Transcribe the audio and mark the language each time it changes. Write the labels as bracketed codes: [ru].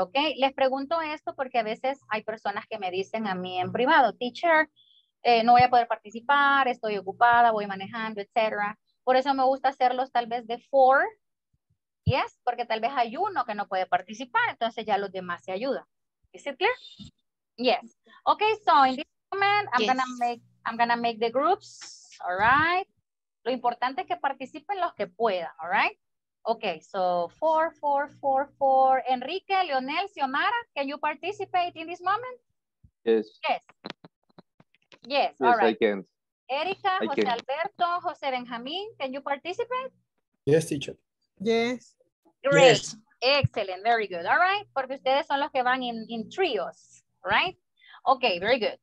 [es] Okay, les pregunto esto porque a veces hay personas que me dicen a mí en privado, teacher, no voy a poder participar, estoy ocupada, voy manejando, etc. Por eso me gusta hacerlos tal vez de [en] four, yes, [es] porque tal vez hay uno que no puede participar, entonces ya los demás se ayudan. [en] Is it clear? Yes. Okay, so in this moment, I'm gonna make the groups, all right? [es] Lo importante es que participen los que puedan, [en] all right? Okay, so 4, 4, 4, 4. Enrique, Leonel, Xiomara, can you participate in this moment? Yes. Yes. Yes, all right. Yes, I can. Erika, José can. Alberto, José Benjamín, can you participate? Yes, teacher. Yes. Great. Yes. Excellent, very good, all right? [es] Porque ustedes son los que van [en] in trios, right? Okay, very good.